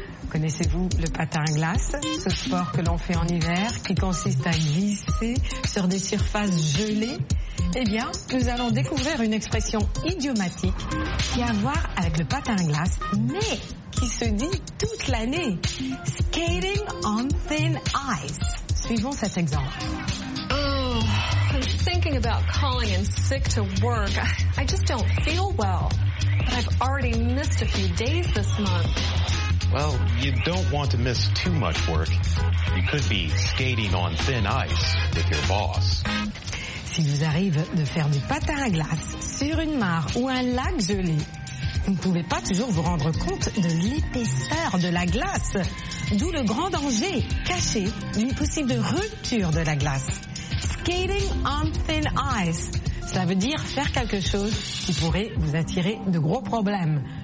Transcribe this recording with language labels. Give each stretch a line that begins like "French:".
French: Connaissez-vous le patin à glace, ce sport que l'on fait en hiver qui consiste à glisser sur des surfaces gelées? Eh bien, nous allons découvrir une expression idiomatique qui a à voir avec le patin à glace, mais qui se dit toute l'année.
English: Skating on thin ice.
French: Suivons cet exemple.
English: Oh, I'm thinking about calling in sick to work. I just don't feel well. But I've already missed a few days this month. Well, you don't want to miss too much work. You could be skating on thin ice with your boss.
French: S'il vous arrive de faire du patin à glace sur une mare ou un lac gelé, vous ne pouvez pas toujours vous rendre compte de l'épaisseur de la glace, d'où le grand danger caché d'une possible rupture de la glace.
English: Skating on thin ice,
French: ça veut dire faire quelque chose qui pourrait vous attirer de gros problèmes.